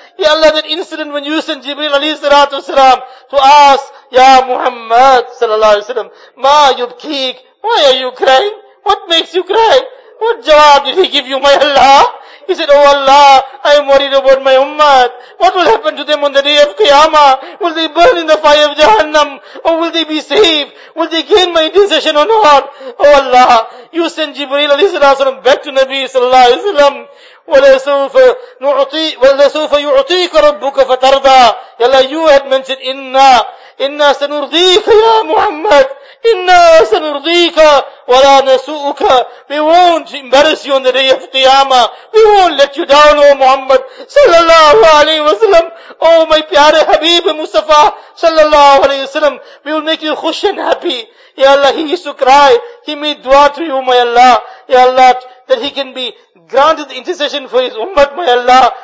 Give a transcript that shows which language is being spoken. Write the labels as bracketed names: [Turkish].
[English] Ya Allah, that incident when you sent Jibreel alayhi salatu wasalam to ask, Ya Muhammad sallallahu alayhi wa sallam, Ma yubkik, why are you crying? What makes you cry? What jawab did he give you, my Allah? He said, "Oh Allah, I am worried about my ummah. What will happen to them on the day of Qiyamah? Will they burn in the fire of Jahannam? Or will they be saved? Will they gain my intercession or not? Oh Allah, you send Jibreel alayhi salam back to Nabi sallallahu alayhi wa sallam. [Arabic] وَلَسَوْفَ يُعْطِيكَ رَبُّكَ فَتَرْضَى يَا اللَّهَ [English] you had mentioned [Arabic] إِنَّا سَنُرْضِيكَ يَا مُحَمَّدْ إِنَّا سَنُرْضِيكَ وَلَا نَسُؤُكَ [English] we won't embarrass you on the day of Qiyamah. We won't let you down, O Muhammad sallallahu alayhi wa sallam. Oh my pyare Habib Mustafa sallallahu alayhi wa sallam. We will make you khush and happy. Ya Allah, he used to cry. He made dua to you, my Allah. Ya Allah, that he can be granted intercession for his ummah, my Allah.